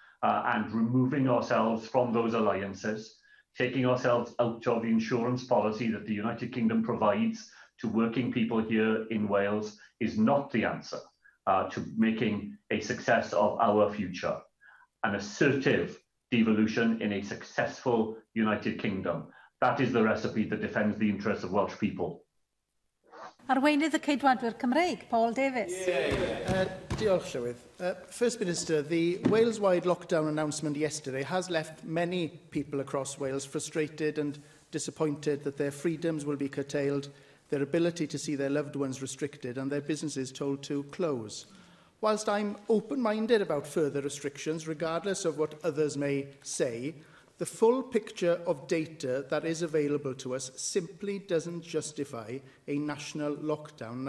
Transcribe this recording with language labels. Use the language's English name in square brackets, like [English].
[English] And removing ourselves from those alliances, taking ourselves out of the insurance policy that the United Kingdom provides to working people here in Wales is not the answer to making a success of our future. An assertive devolution in a successful United Kingdom. That is the recipe that defends the interests of Welsh people. [Welsh] Arweinydd y Ceidwadwyr Cymreig, Paul Davies. Diolch, Llywydd. [English] First Minister, the Wales-wide lockdown announcement yesterday has left many people across Wales frustrated and disappointed that their freedoms will be curtailed, their ability to see their loved ones restricted and their businesses told to close. Whilst I'm open-minded about further restrictions, regardless of what others may say, the full picture of data that is available to us simply doesn't justify a national lockdown.